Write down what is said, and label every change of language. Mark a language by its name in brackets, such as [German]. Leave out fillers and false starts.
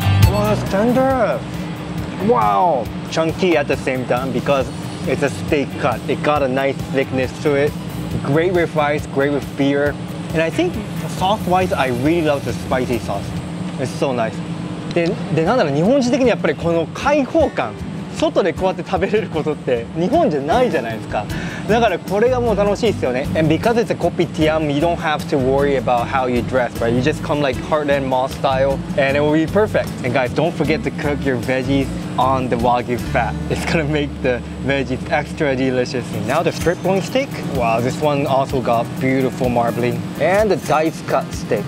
[English] Wow, it's tender. Wow. Chunky at the same time because It's a steak cut. It got a nice thickness to it. Great with rice, great with beer. And I think sauce-wise, I really love the spicy sauce. It's so nice. [Japanese] で、なんだろう、日本人的にやっぱりこの開放感、外でこうやって食べれることって日本じゃないじゃないですか。だからこれがもう楽しいですよね。 [English] And because it's a kopi tiam, you don't have to worry about how you dress, right? You just come like Heartland Mall style, and it will be perfect. And guys, don't forget to cook your veggies on the wagyu fat. It's gonna make the veggies extra delicious. And now the strip bone steak. Wow, this one also got beautiful marbling. And the dice cut steak.